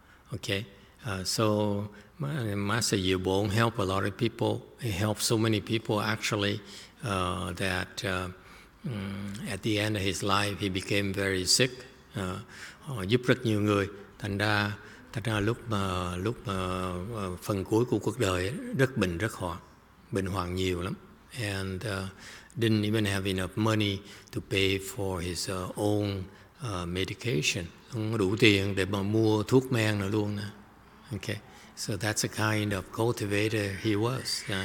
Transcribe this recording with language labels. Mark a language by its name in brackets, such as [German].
[English] Okay, so Master Diệu Bổn help a lot of people. He helped so many people actually that at the end of his life he became very sick. [Vietnamese] Giúp rất nhiều người. Thành ra lúc mà phần cuối của cuộc đời rất bệnh, rất hoạn, bệnh hoạn nhiều lắm. [English] And didn't even have enough money to pay for his own medication. [Vietnamese] Không đủ tiền để mà mua thuốc men nữa luôn nè. [English] Okay. So that's the kind of cultivator he was.